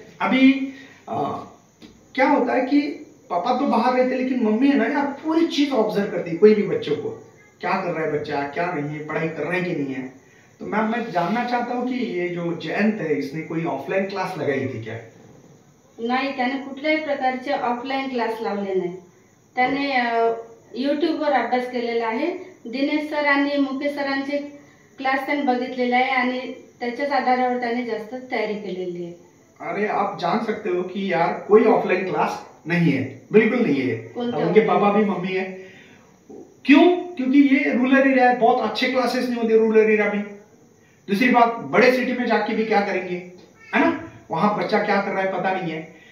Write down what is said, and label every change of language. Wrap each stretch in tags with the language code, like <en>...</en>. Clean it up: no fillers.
<hi>अभी क्या होता है कि पापा तो बाहर रहते, लेकिन मम्मी है ना यार पूरी चीज ऑब्जर्व करती, कोई भी बच्चों को क्या कर रहा है बच्चा, क्या नहीं है, पढ़ाई कर रहा है कि नहीं है। तो मैं जानना चाहता हूँ कि ये जो जयंत है इसने कोई ऑफलाइन क्लास लगाई थी क्या?</hi> <mr>नहीं, त्याने कुठल्याही प्रकारचे ऑफलाइन क्लास लावले नाही, त्याने यूट्यूब वर अभ्यास केलेला आहे, दिनेश सर आणि मुकेश सरांचे क्लास त्यांनी बघितलेला आहे आणि त्याच्याच आधारावर त्याने जास्त तयारी केलेली आहे.</mr> <hi>अरे आप जान सकते हो कि यार कोई ऑफलाइन क्लास नहीं है, बिल्कुल नहीं है. उनके पापा भी मम्मी है. क्यों? क्योंकि ये रूरल एरिया है, बहुत अच्छे क्लासेस नहीं होते रूरल एरिया में. दूसरी बात, बड़े सिटी में जाके भी क्या करेंगे, है ना, वहां बच्चा क्या कर रहा है पता नहीं है.</hi>